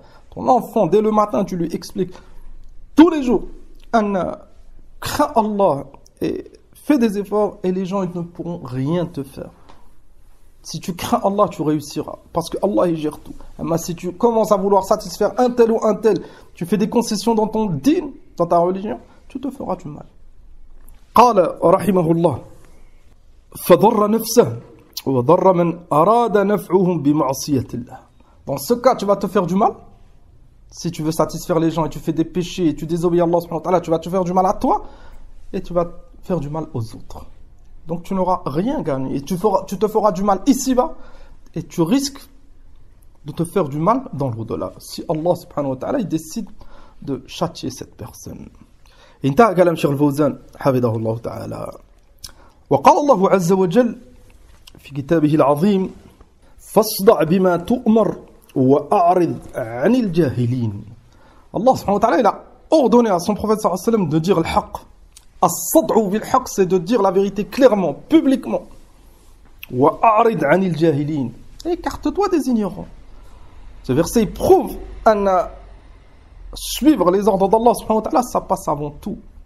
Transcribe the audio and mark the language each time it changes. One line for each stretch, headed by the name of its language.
French: Ton enfant, dès le matin, tu lui expliques tous les jours, crains Allah et fais des efforts, et les gens ils ne pourront rien te faire. Si tu crains Allah, tu réussiras. Parce que Allah, il gère tout. Mais si tu commences à vouloir satisfaire un tel ou un tel, tu fais des concessions dans ton din, dans ta religion, tu te feras du mal.
Arabic: قال رحمه الله فضر نفسه وضر من أراد نفعهم بمعصية الله.
French: Dans ce cas, tu vas te faire du mal. Si tu veux satisfaire les gens et tu fais des péchés et tu désobéis Allah subhanahu wa ta'ala, tu vas te faire du mal à toi et tu vas faire du mal aux autres. Donc tu n'auras rien gagné et tu te feras du mal ici-bas et tu risques de te faire du mal dans l'au-delà si Allah subhanahu wa ta'ala il décide de châtier cette personne.
Arabic: انتهى كلام شيخ الفوزان حفظه الله تعالى. وقال الله عز وجل في كتابه العظيم فاصدع بما تؤمر واعرض عن الجاهلين.
French: الله سبحانه وتعالى il a ordonné à son prophète
Arabic: صلى الله عليه وسلم
French: de dire le haq.
Arabic: الصدع بالحق,
French: c'est de dire la vérité clairement, publiquement.
Arabic: واعرض عن الجاهلين,
French: écarte-toi des ignorants. Ce verset prouve ان suivre les ordres d'Allah subhanahu wa ta'ala, ça passe avant tout.